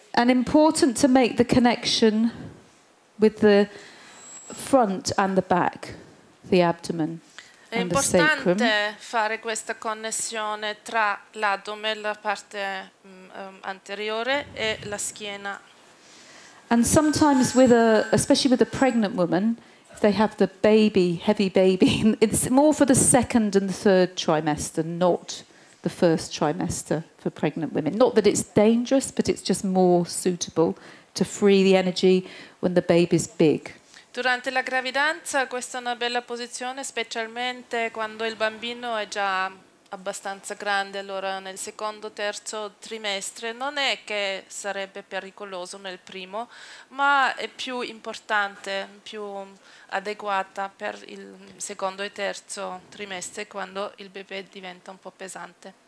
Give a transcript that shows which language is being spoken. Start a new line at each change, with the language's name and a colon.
English: And important to make the connection with the front and the back, the abdomen.
Italian: È importante fare questa connessione tra l'addome, la parte anteriore, e la schiena.
English: And sometimes with especially with a pregnant woman, they have the baby, heavy baby. It's more for the second and the third trimester, not the first trimester for pregnant women. Not that it's dangerous, but it's just more suitable to free the energy when the baby's big.
Italian: Durante la gravidanza, questa è una bella posizione, specialmente quando il bambino è già abbastanza grande, allora nel secondo, terzo trimestre. Non è che sarebbe pericoloso nel primo, ma è più importante, più adeguata per il secondo e terzo trimestre, quando il bebè diventa un po' pesante.